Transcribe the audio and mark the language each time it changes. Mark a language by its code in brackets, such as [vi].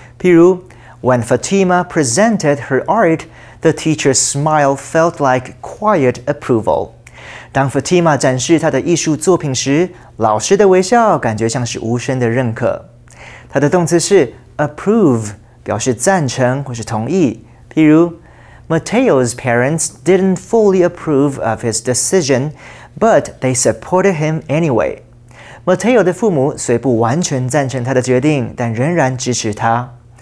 [zh] 譬如, [en] when Fatima presented her art, the teacher's smile felt like quiet approval. [zh] 当 Fatima 展示她的艺术作品时, 老师的微笑感觉像是无声的认可。它的动词是 approve, 表示赞成或是同意。譬如, [en] Mateo's parents didn't fully approve of his decision, but they supported him anyway. [zh] Mateo的父母虽不完全赞成他的决定, 但仍然支持他。